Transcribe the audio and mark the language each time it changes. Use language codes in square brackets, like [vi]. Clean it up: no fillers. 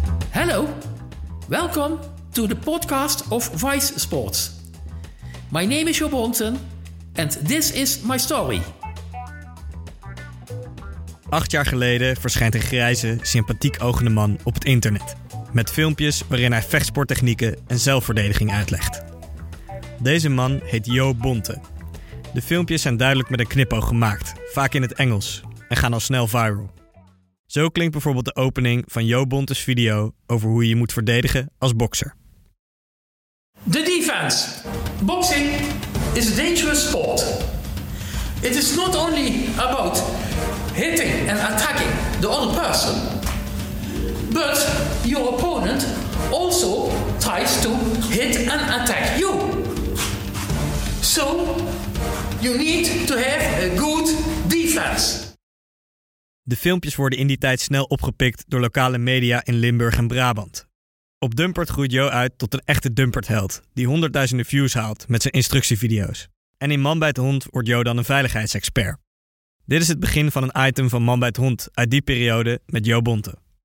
[en] Hello, welcome to the podcast of Vice Sports. My name is Job Honten and this is my story. [nl] 8 jaar geleden verschijnt een grijze, sympathiek ogende man op het internet. Met filmpjes waarin hij vechtsporttechnieken en zelfverdediging uitlegt. Deze man heet Jo Bonte. De filmpjes zijn duidelijk met een knipoog gemaakt, vaak in het Engels, en gaan al snel viral. Zo klinkt bijvoorbeeld de opening van Jo Bonte's video over hoe je moet verdedigen als bokser. [en] The defense. Boxing is a dangerous sport. It is not only about hitting and attacking the other person, but your opponent also tries to hit and attack you. So, you need to have a good defense. [nl] De filmpjes worden in die tijd snel opgepikt door lokale media in Limburg en Brabant. Op Dumpert groeit Jo uit tot een echte Dumpert-held die honderdduizenden views haalt met zijn instructievideo's. En in Man bijt hond wordt Jo dan een veiligheidsexpert. Dit is het begin van een item van Man bijt hond uit die periode met Jo Bonte.